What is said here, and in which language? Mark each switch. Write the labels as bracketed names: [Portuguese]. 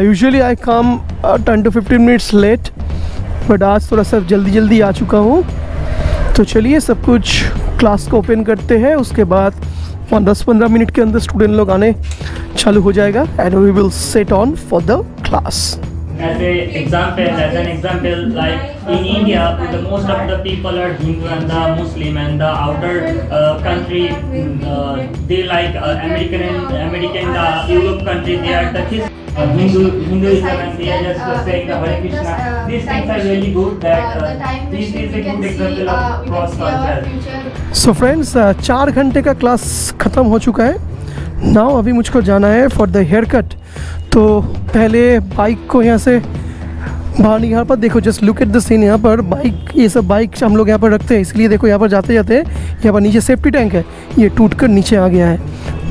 [English] usually I come 10 to 15 minutes late, but [Hindi] आज थोड़ा सा जल्दी जल्दी आ चुका हूँ। तो चलिए सब कुछ क्लास को ओपन करते हैं, उसके बाद 10-15 मिनट के अंदर स्टूडेंट लोग आने चालू हो जाएगा, [English] And we will set on for the class. As an example, like in India, the most of the people are Hindu and the Muslim, and the outer country, they like American, the Europe country, they are the Hinduism, and they are just saying the Hare Krishna. These things are really good, that this is a good example of cross culture. So friends, [Hindi] 4 ghante ka class khatam ho chuka hai. Now अभी मुझको जाना है [English] For the haircut. [Hindi] तो पहले bike को यहाँ से बाहर निकाल पर देखो, [English] just look at the scene, [Hindi] यहाँ पर बाइक, ये सब बाइक हम लोग यहाँ पर रखते हैं, इसलिए देखो यहाँ पर जाते जाते यहाँ पर नीचे सेफ्टी टैंक है, ये टूट कर नीचे आ गया है।